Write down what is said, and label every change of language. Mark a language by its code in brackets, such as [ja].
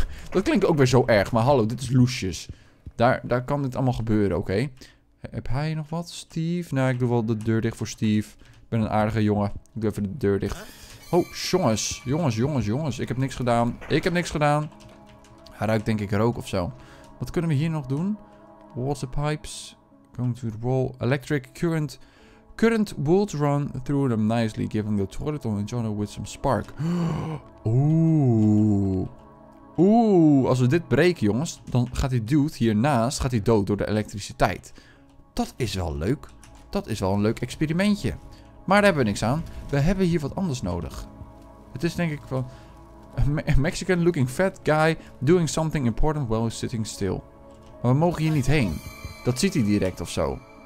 [nl] Dat klinkt ook weer zo erg. Maar hallo, dit is Loesjes. Daar kan dit allemaal gebeuren, oké. Heb hij nog wat? Steve? Nou, ik doe wel de deur dicht voor Steve. Ik ben een aardige jongen. Ik doe even de deur dicht. Oh, jongens. Jongens. Ik heb niks gedaan. Hij ruikt denk ik rook of zo. Wat kunnen we hier nog doen? [en] Water pipes. Going to the wall. Electric current. Current would run through them nicely. Giving the toilet on the journal with some spark. [nl] Oeh. Als we dit breken, jongens. Dan gaat die dude hiernaast gaat hij dood door de elektriciteit. Dat is wel leuk. Dat is wel een leuk experimentje. Maar daar hebben we niks aan. We hebben hier wat anders nodig. Het is denk ik van... [en] A Mexican looking fat guy doing something important while sitting still. [nl] Maar we mogen hier niet heen. Dat ziet hij direct of zo.